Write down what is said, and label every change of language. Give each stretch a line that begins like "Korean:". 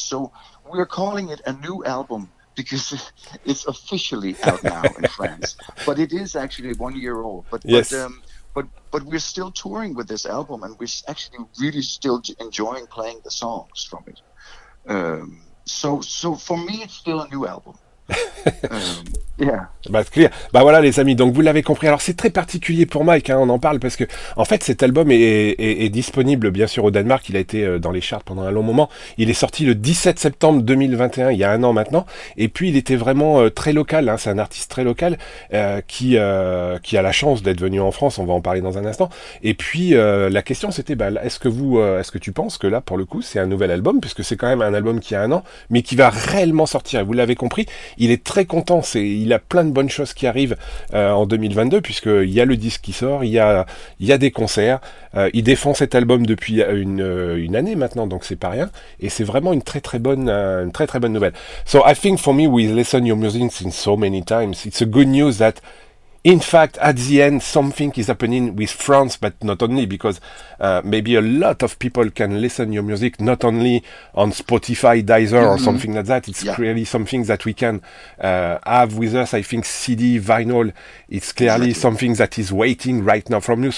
English: So we're calling it a new album, because it's officially out now in France, but it is actually 1 year old. But yes. But we're still touring with this album, and we're actually really still enjoying playing the songs from it. So for me, it's still a new album.
French: Bah, clair. Bah voilà les amis, donc vous l'avez compris. Alors c'est très particulier pour Mike, hein, on en parle parce que en fait cet album est disponible bien sûr au Danemark, il a été dans les charts pendant un long moment. Il est sorti le 17 septembre 2021, il y a un an maintenant, et puis il était vraiment très local, hein. C'est un artiste très local qui a la chance d'être venu en France, on va en parler dans un instant. Et puis la question c'était, bah, est-ce que tu penses que là pour le coup c'est un nouvel album, puisque c'est quand même un album qui a un an, mais qui va réellement sortir. Et vous l'avez compris, il est très content, il a plein de bonnes choses qui arrivent en 2022, puisqu'il y a le disque qui sort, il y a des concerts, il défend cet album depuis une année maintenant, donc c'est pas rien, et c'est vraiment une très très bonne nouvelle.
English: So I think for me, we listen your music since so many times, it's a good news that in fact, at the end, something is happening with France, but not only, because maybe a lot of people can listen your music, not only on Spotify, Deezer, or something like that. It's really something that we can have with us. I think CD, vinyl, it's clearly something that is waiting right now from you.